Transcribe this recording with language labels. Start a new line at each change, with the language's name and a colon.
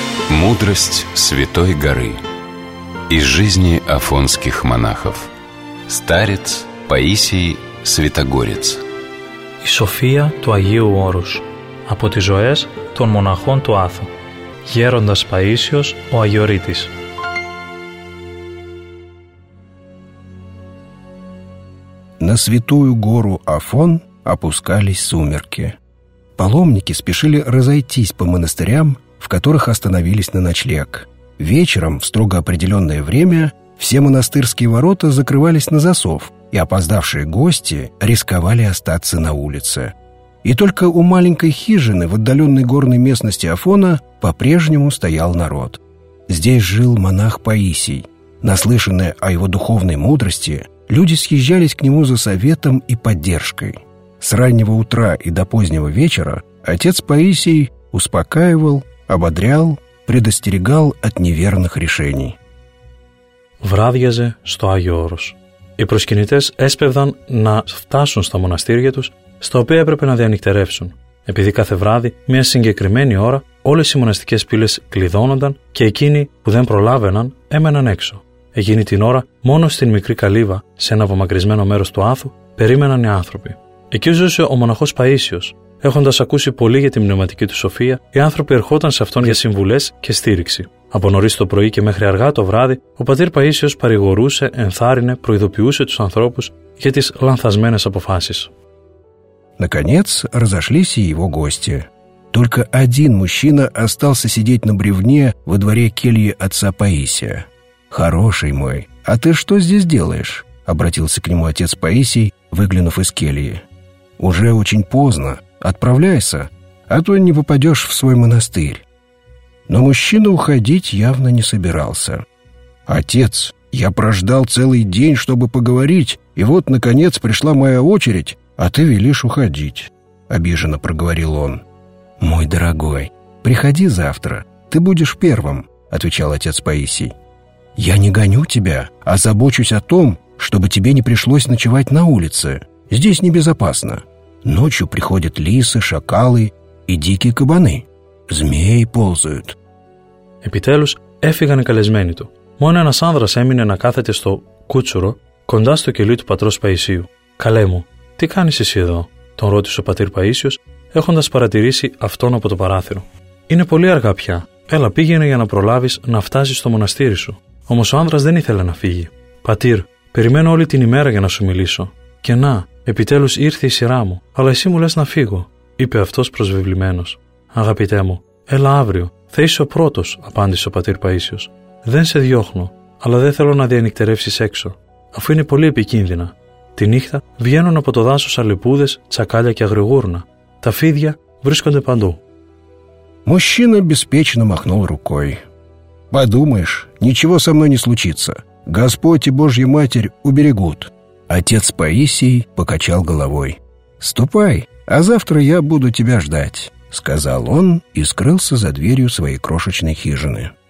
Russian: Мудрость Святой Горы из жизни афонских монахов. Старец Паисий Святогорец.
Greek: Η Σοφία του Αγίου Όρους από τις ζωές των μοναχών του Άθου. Γέροντας Παΐσιος, ο Αγιορείτης.
Russian: На святую гору Афон опускались сумерки. Паломники спешили разойтись по монастырям, в которых остановились на ночлег. Вечером, в строго определенное время, все монастырские ворота закрывались на засов, и опоздавшие гости рисковали остаться на улице. И только у маленькой хижины в отдаленной горной местности Афона по-прежнему стоял народ. Здесь жил монах Паисий. Наслышанные о его духовной мудрости, люди съезжались к нему за советом и поддержкой. С раннего утра и до позднего вечера отец Паисий успокаивал, ободрял, предостерегал от неверных решений.
Greek: Βράδιαζε στο Άγιο Όρος. Οι προσκυνητές έσπευδαν να φτάσουν στα μοναστήρια τους, στα οποία έπρεπε να διανυκτερεύσουν. Επειδή κάθε βράδυ, μια συγκεκριμένη ώρα, όλες οι μοναστικές πύλες κλειδώνονταν και εκείνοι που δεν προλάβαιναν έμεναν έξω. Εκείνη την ώρα, μόνο στην μικρή καλύβα, σε ένα απομακρυσμένο μέρος του Άθου, περίμεναν οι άνθρωποι. Εκεί ζούσε ο μοναχός Παΐσιος. Έχοντας ακούσει πολύ για την πνευματική του σοφία, οι άνθρωποι ερχόταν σε αυτόν για συμβουλές και στήριξη. Από νωρίς το πρωί και μέχρι αργά το βράδυ, ο πατήρ Παΐσιος παρηγορούσε, ενθάρρυνε, προειδοποιούσε τους ανθρώπους για τις λανθασμένες αποφάσεις.
Russian: Наконец разошлись и его гости. Только один мужчина остался сидеть на бревне во дворе кельи отца Паисия. «Хороший мой, а ты что здесь делаешь?» — обратился к нему отец Паисий, выглянув из кельи. «Уже очень поздно. Отправляйся, а то не попадешь в свой монастырь». Но мужчина уходить явно не собирался. «Отец, я прождал целый день, чтобы поговорить, и вот, наконец, пришла моя очередь». «А ты велишь уходить», — обиженно проговорил он. «Мой дорогой, приходи завтра, ты будешь первым», — отвечал отец Паисий. «Я не гоню тебя, а забочусь о том, чтобы тебе не пришлось ночевать на улице. Здесь небезопасно. Ночью приходят лисы, шакалы и дикие кабаны. Змеи ползают».
Greek: Επιτέλους έφυγαν οι καλεσμένοι του. Μόνο ένας άνδρας έμεινε να κάθεται στο κούτσουρο, κοντά στο κελί του πατρός Παϊσίου. «Καλέ μου, τι κάνεις εσύ εδώ?» τον ρώτησε ο πατήρ Παΐσιος, έχοντας παρατηρήσει αυτόν από το παράθυρο. «Είναι πολύ αργά πια. Έλα, πήγαινε για να προλάβεις να φτάσεις στο μοναστήρι σου». Όμως ο άνδρας δεν ήθελε να φύγει. «Πατήρ, περιμένω όλη την ημέρα για να σου μιλήσω. Και να, επιτέλους ήρθε η σειρά μου, αλλά εσύ μου λες να φύγω», είπε αυτός προσβεβλημένος. «Αγαπητέ μου, έλα αύριο. Θα είσαι ο πρώτος», απάντησε ο πατήρ Παΐσιος. «Δεν σε διώχνω, αλλά δεν θέλω να διανυκτερεύσεις έξω, αφού είναι πολύ επικίνδυνα. Τη νύχτα βγαίνουν από το δάσος αλεπούδες, τσακάλια και αγριογούρνα. Τα φίδια βρίσκονται παντού».
Russian: Мужчина беспечно махнул рукой. «Подумаешь, ничего со мной не случится. Господь и Божья Матерь уберегут». Отец Паисий покачал головой. «Ступай, а завтра я буду тебя ждать», — сказал он и скрылся за дверью своей крошечной хижины.